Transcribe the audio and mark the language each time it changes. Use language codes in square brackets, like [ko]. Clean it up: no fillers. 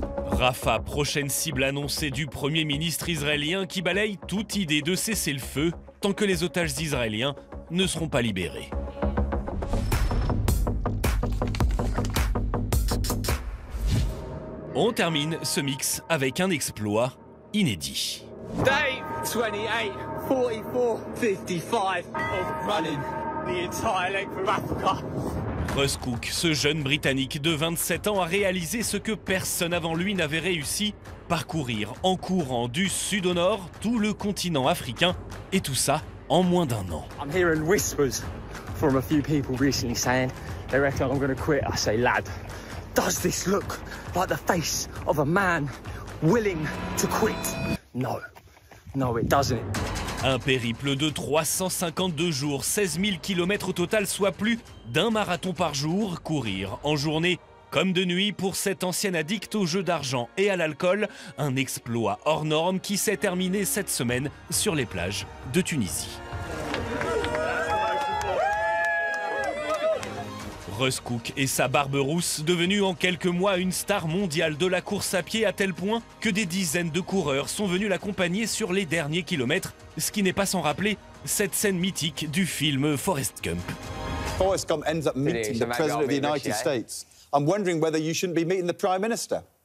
[fr] Rafah, prochaine cible annoncée du premier ministre israélien qui balaye toute idée de cesser le feu tant que les otages israéliens ne seront pas libérés. On termine ce mix avec un exploit inédit. [en] Day 28, 44, 55 of running the entire length of Africa. [fr] Russ Cook, ce jeune Britannique de 27 ans, a réalisé ce que personne avant lui n'avait réussi, parcourir en courant du sud au nord tout le continent africain, et tout ça en moins d'un an. [en] I'm hearing whispers from a few people recently saying they reckon I'm gonna quit. I say, lad, does this look like the face of a man willing to quit? No. No, it doesn't. [fr] Un périple de 352 jours, 16 000 km au total, soit plus d'un marathon par jour. Courir en journée comme de nuit pour cet ancien addict aux jeux d'argent et à l'alcool. Un exploit hors norme qui s'est terminé cette semaine sur les plages de Tunisie. Russ Cook et sa barbe rousse, devenus en quelques mois une star mondiale de la course à pied, à tel point que des dizaines de coureurs sont venus l'accompagner sur les derniers kilomètres, ce qui n'est pas sans rappeler cette scène mythique du film Forrest Gump. [en] Forrest Gump ends up meeting the President of the United States. I'm wondering whether you shouldn't be meeting the Prime Minister.